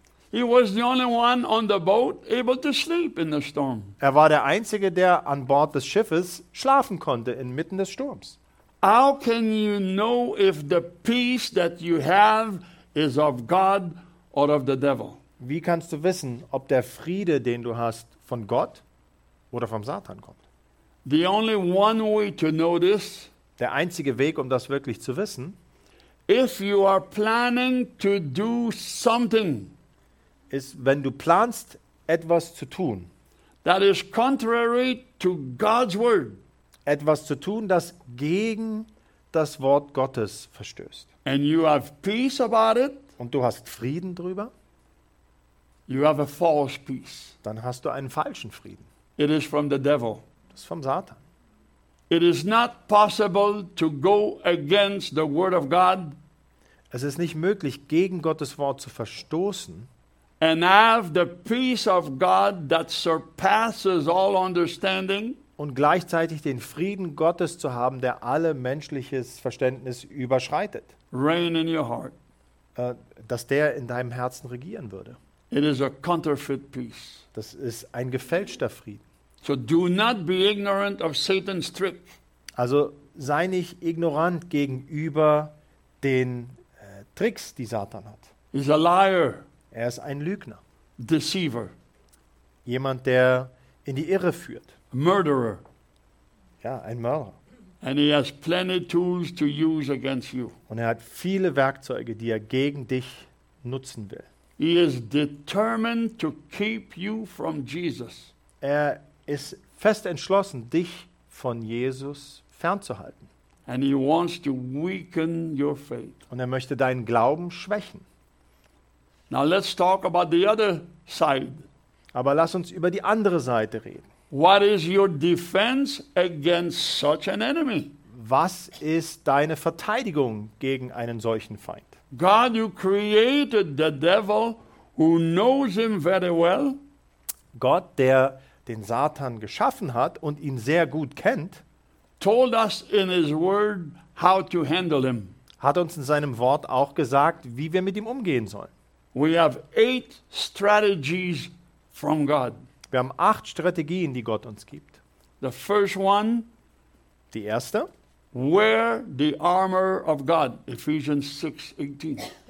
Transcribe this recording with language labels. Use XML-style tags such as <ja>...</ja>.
<en>He was the only one on the boat able to sleep in the storm.</en> <de>Er war der Einzige, der an Bord des Schiffes schlafen konnte inmitten des Sturms.</de> <en>How can you know if the peace that you have is of God or of the devil?</en> <de>Wie kannst du wissen, ob der Friede, den du hast, von Gott oder vom Satan kommt?</de> <en>The only one way to know this,</en> <de>der einzige Weg, um das wirklich zu wissen,</de> <en>if you are planning to do something,</en> <de>ist, wenn du planst, etwas zu tun,</de> <en>that is contrary to God's word,</en> <de>etwas zu tun, das gegen das Wort Gottes verstößt,</de> <en>and you have peace about it,</en> <de>und du hast Frieden drüber,</de> <en>you have a false peace.</en> <de>Dann hast du einen falschen Frieden.</de> <en>It is from the devil.</en> <de>Das ist vom Satan.</de> <en>It is not possible to go against the word of God.</en> <de>Es ist nicht möglich, gegen Gottes Wort zu verstoßen.</de> <en>And have the peace of God that surpasses all understanding.</en> <de>Und gleichzeitig den Frieden Gottes zu haben, der alle menschliches Verständnis überschreitet.</de> <en>Reign in your heart.</en> <de>Dass der in deinem Herzen regieren würde.</de> <en>It is a counterfeit peace.</en> <de>Das ist ein gefälschter Frieden.</de> <en>So do not be ignorant of Satan's trick.</en> <de>Also sei nicht ignorant gegenüber den Tricks, die Satan hat.</de> <en>He's a liar.</en> <de>Er ist ein Lügner.</de> <en>Deceiver.</en> <de>Jemand, der in die Irre führt.</de> <en>Murderer.</en> <de>Ja, ein Mörder.</de> <en>And he has plenty tools to use against you.</en> <de>Und er hat viele Werkzeuge, die er gegen dich nutzen will.</de> <en>He is determined to keep you from Jesus.</en> <de>Er ist fest entschlossen, dich von Jesus fernzuhalten.</de> <en>And he wants to weaken your faith.</en> <de>Und er möchte deinen Glauben schwächen.</de> <en>Now let's talk about the other side.</en> <de>Aber lass uns über die andere Seite reden.</de> <en>What is your defense against such an enemy?</en> <de>Was ist deine Verteidigung gegen einen solchen Feind?</de> <en>God, you created the devil who knows him very well.</en> <de>Gott, der den Satan geschaffen hat und ihn sehr gut kennt,</de> <en>told us in his word how to handle him.</en> <de>Hat uns in seinem Wort auch gesagt, wie wir mit ihm umgehen sollen.</de> <en>We have 8 strategies from God.</en> <de>Wir haben 8 Strategien, die Gott uns gibt.</de> <en>The first one,</en> <de>die erste,</de> <en>wear the armor of God, Ephesians 6:18.</en>